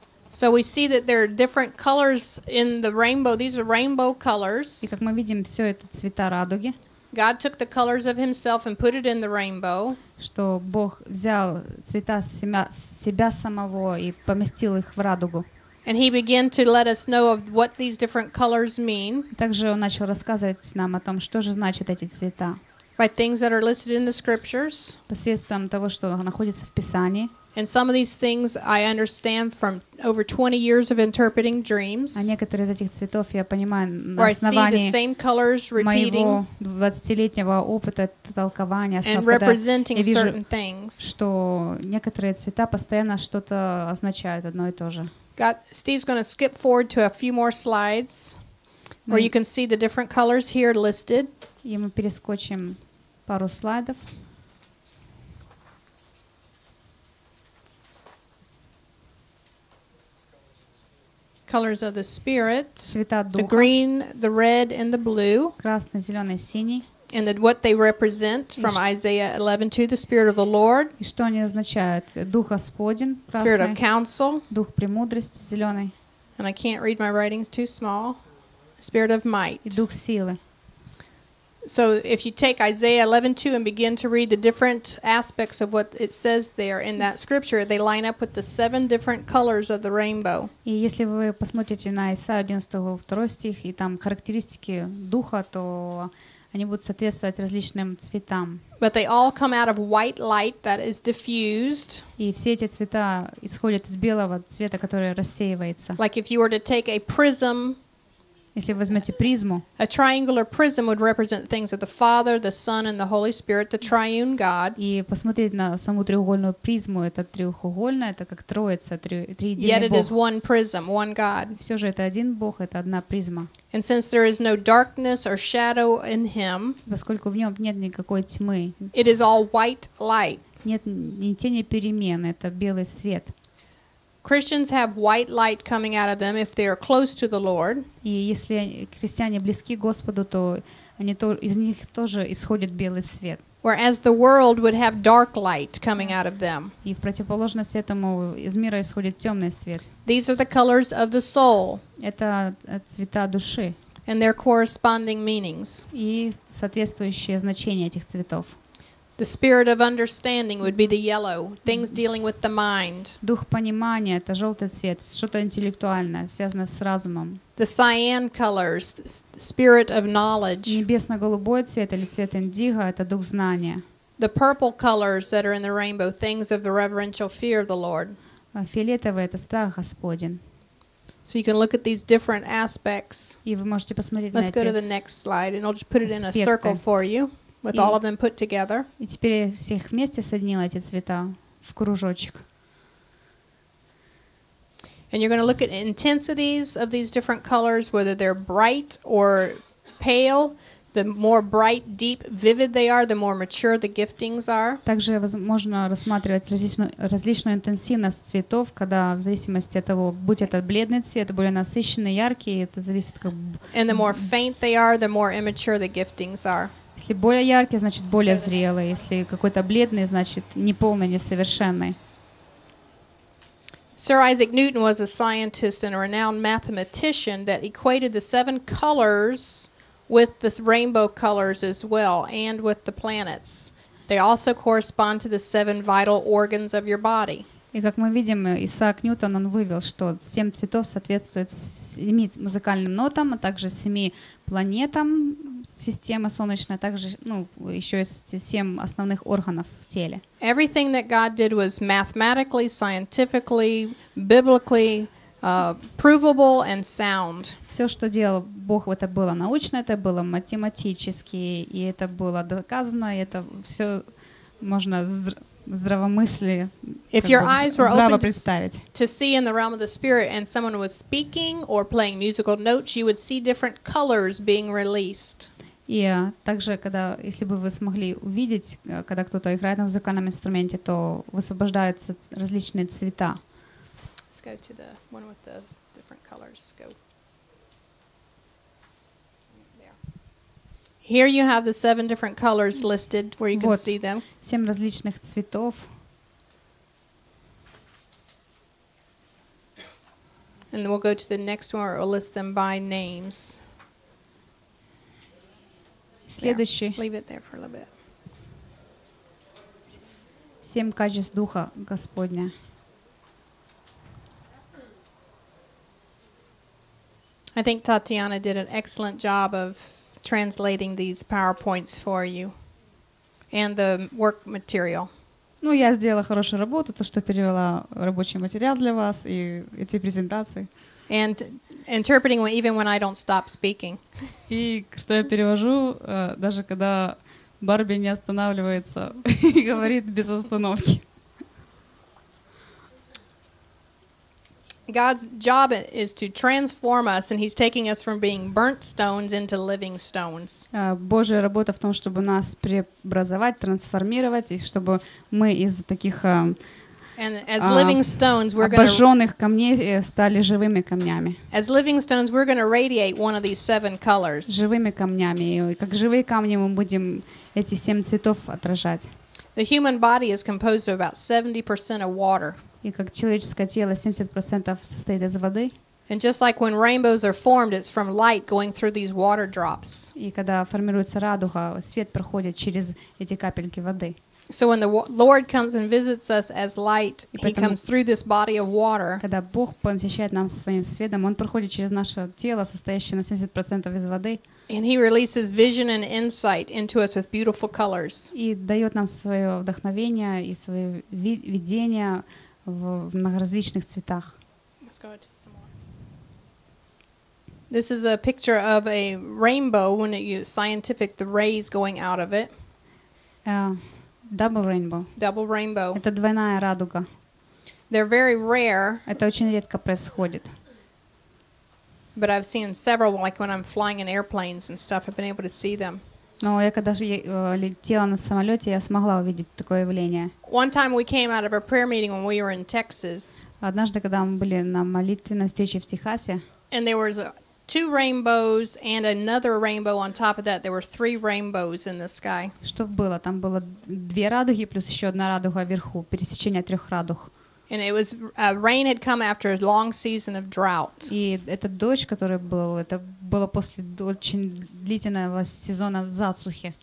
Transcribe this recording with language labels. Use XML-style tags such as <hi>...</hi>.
<en>So we see that there are different colors in the rainbow. These are rainbow colors.</en> <ru>И как мы видим, все это цвета радуги.</ru> <en>God took the colors of himself and put it in the rainbow.</en> <ru>Что Бог взял цвета себя самого и поместил их в радугу.</ru> <en>And he began to let us know of what these different colors mean.</en> <ru>Также он начал рассказывать нам о том, что же значат эти цвета.</ru> <en>By things that are listed in the scriptures.</en> <ru>Посредством того, что находится в Писании.</ru> <en>And some of these things I understand from over 20 years of interpreting dreams.</en> <ru>А некоторые из этих цветов я понимаю на основании моего 20-летнего опыта толкования снов,</ru> <en>and representing certain things.</en> <ru>Что некоторые цвета постоянно что-то означают одно и то же.</ru> <en>God, Steve's going to skip forward to a few more slides where you can see the different colors here listed.</en> <ru>И мы перескочим пару слайдов.</ru> <en>Colors of the spirit,</en> <ru>цвета духа,</ru> <en>the green, the red, and the blue.</en> <ru>Красный, зелёный, синий.</ru> <en>And that what they represent from Isaiah 11:2, the Spirit of the Lord.</en> <ru>И что они означают? Дух Господень, красный.</ru> <en>Spirit of counsel.</en> <ru>Дух премудрости, зелёный.</ru> <en>And I can't read my writing's too small. Spirit of might.</en> <ru>И дух силы.</ru> <en>So if you take Isaiah 11:2 and begin to read the different aspects of what it says there in that scripture, they line up with the seven different colors of the rainbow.</en> <ru>И если вы посмотрите на Исайя 11:2 стих и там характеристики духа, то Они будут соответствовать различным цветам.</ru> <en>But they all come out of white light that is diffused.</en> <ru>И все эти цвета исходят из белого цвета, который рассеивается.</ru> <en>Like if you were to take a prism.</en> <ru>Если вы возьмете призму.</ru> <en>A triangular prism would represent things of the Father, the Son, and the Holy Spirit, the triune God.</en> <ru>И посмотреть на саму треугольную призму, это треугольная, это как Троица, триединый Бог.</ru> <en>Yet it is one prism, one God.</en> <ru>Все же это один Бог, это одна призма.</ru> <en>And since there is no darkness or shadow in Him,</en> <ru>поскольку в нем нет никакой тьмы,</ru> <en>it is all white light.</en> <ru>Нет ни тени перемен, это белый свет.</ru> <en>Christians have white light coming out of them if they are close to the Lord.</en> <ru>И если христиане близки Господу, то из них тоже исходит белый свет.</ru> <en>Whereas the world would have dark light coming out of them.</en> <ru>И в противоположность этому из мира исходит темный свет.</ru> <en>These are the colors of the soul.</en> <ru>Это цвета души.</ru> <en>And their corresponding meanings.</en> <ru>И соответствующие значения этих цветов.</ru> <en>The spirit of understanding would be the yellow, things dealing with the mind.</en> <ru>Дух понимания — это жёлтый цвет, что-то интеллектуальное, связанное с разумом.</ru> <en>The cyan colors, spirit of knowledge.</en> <ru>Небесно-голубой цвет или цвет индиго — это дух знания.</ru> <en>The purple colors that are in the rainbow, things of the reverential fear of the Lord.</en> <ru>А фиолетовый — это страх Господень.</ru> <en>So you can look at these different aspects.</en> <ru>И вы можете посмотреть на эти.</ru> <en>Let's go to the next slide and I'll just put it in a circle for you. With all of them put together.</en> <ru>И теперь я всех вместе соединила эти цвета в кружочек.</ru> <en>And you're going to look at intensities of these different colors, whether they're bright or pale. The more bright, deep, vivid they are, the more mature the giftings are.</en> <ru>Также можно рассматривать различную интенсивность цветов, когда в зависимости от того, будь это бледный цвет, более насыщенный, яркий, это зависит как.</ru> <en>And the more faint they are, the more immature the giftings are.</en> <ru>Если более яркий, значит более зрелый. Если какой-то бледный, значит неполный, несовершенный.</ru> <en>Sir Isaac Newton was a scientist and a renowned mathematician that equated the seven colors with the rainbow colors as well and with the planets. They also correspond to the seven vital organs of your body.</en> <ru>И как мы видим, Исаак Ньютон, он вывел, что семь цветов соответствует семи музыкальным нотам, а также семи планетам системы солнечной, а также, ну, еще есть семь основных органов в теле.</ru> <en>Everything that God did was mathematically, scientifically, biblically, provable and sound.</en> <ru>Все, что делал Бог, это было научно, это было математически, и это было доказано, и это все можно здравомыслие.</ru> <en>If your eyes were open to see in the realm of the spirit and someone was speaking or playing musical notes, you would see different colors being released.</en> <ru>И также, когда, если бы вы смогли увидеть, когда кто-то играет на музыкальном инструменте, то высвобождаются различные цвета.</ru> <en>Let's go to the one with the different colors. Go. Here you have the seven different colors listed where you can see them.</en> <ru>Семь различных цветов.</ru> <en>And then we'll go to the next one or list them by names.</en> <ru>Следующий.</ru> <en>There. Leave it there for a little bit.</en> <ru>Семь качеств Духа Господня.</ru> <en>I think Tatiana did an excellent job of translating these PowerPoints for you and the work material.</en> <ru>Ну, я сделала хорошую работу, то, что перевела рабочий материал для вас и эти презентации.</ru> <en>And interpreting even when I don't stop speaking.</en> <ru>И что я перевожу, даже когда Барби не останавливается и говорит без остановки.</ru> <en>God's job is to transform us, and He's taking us from being burnt stones into living stones.</en> <ru>Божья работа в том, чтобы нас преобразовать, трансформировать, и чтобы мы из таких обожженных камней стали живыми камнями.</ru> <en>As living stones, we're going to radiate one of these seven colors.</en> <ru>Живыми камнями, и как живые камни, мы будем эти семь цветов отражать.</ru> <en>The human body is composed of about 70% of water.</en> <ru>И как человеческое тело 70% состоит из воды.</ru> <en>And just like when rainbows are formed, it's from light going through these water drops.</en> <ru>И когда формируется радуга, свет проходит через эти капельки воды.</ru> <en>So when the Lord comes and visits us as light, He comes through this body of water.</en> <ru>Когда Бог посещает нас своим светом, Он проходит через наше тело, состоящее на 70% из воды.</ru> <en>And he releases vision and insight into us with beautiful colors.</en> <ru>И даёт нам своё вдохновение и своё видение в многоразличных цветах.</ru> <en>Let's go to some more. This is a picture of a rainbow when it is scientific, the rays going out of it. Double rainbow. Double rainbow.</en> <ru>Это двойная радуга.</ru> <en>They're very rare.</en> <ru>Это очень редко происходит.</ru> <en>But I've seen several, like when I'm flying in airplanes and stuff, I've been able to see them.</en> <ru>Но я когда же летела на самолете, я смогла увидеть такое явление.</ru> <en>One time we came out of a prayer meeting when we were in Texas.</en> <ru>Однажды, когда мы были на молитвенной встрече в Техасе.</ru> <en>And there was two rainbows and another rainbow on top of that. There were three rainbows in the sky.</en> <ru>Что было? Там было две радуги плюс еще одна радуга вверху, пересечение трех радуг.</ru> <en>And it was rain had come after a long season of drought.</en> <ru>И этот дождь, который был, это было после очень длительного сезона засухи.</ru>